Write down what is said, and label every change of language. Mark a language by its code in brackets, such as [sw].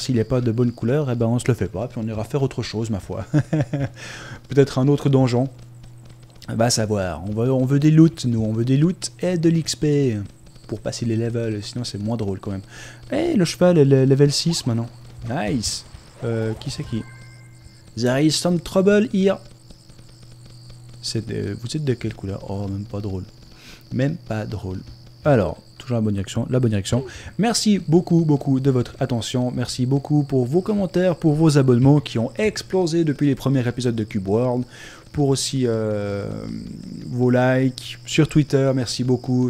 [fr] S'il n'est pas de bonne couleur, eh ben, on se le fait pas. Puis on ira faire autre chose, ma foi. Peut-être un autre donjon. Va savoir. On veut des loot, nous. On veut des loot et de l'XP pour passer les levels. Sinon, c'est moins drôle, quand même. Eh, le cheval est level 6, maintenant. Nice. Qui c'est qui? [en] There is some trouble here. [fr] Vous êtes de quelle couleur? Oh, même pas drôle. Même pas drôle. Alors, toujours la bonne direction. La bonne direction. Merci beaucoup, beaucoup de votre attention. Merci beaucoup pour vos commentaires, pour vos abonnements qui ont explosé depuis les premiers épisodes de Cube World. Pour aussi vos likes sur Twitter. Merci beaucoup.